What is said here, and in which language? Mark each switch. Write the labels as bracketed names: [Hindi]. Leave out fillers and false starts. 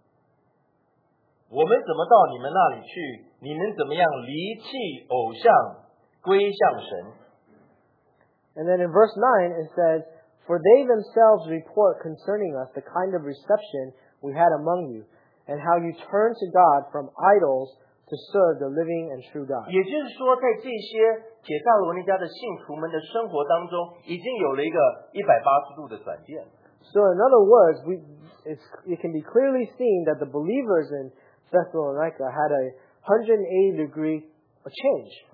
[Chinese] 人都已经知道我们怎么到你们那里去, 你们怎么样离弃偶像, [English] and then in verse 9 it says, "For they themselves report concerning us the kind of reception we had among you, and how you turned to God from idols to serve the living and true God." [Chinese] 也就是说，在这些帖撒罗尼迦的信徒们的生活当中，已经有了一个180度的转变。 [English] So in other words, it can be clearly seen that the believers in Thessalonica had a 180-degree a change.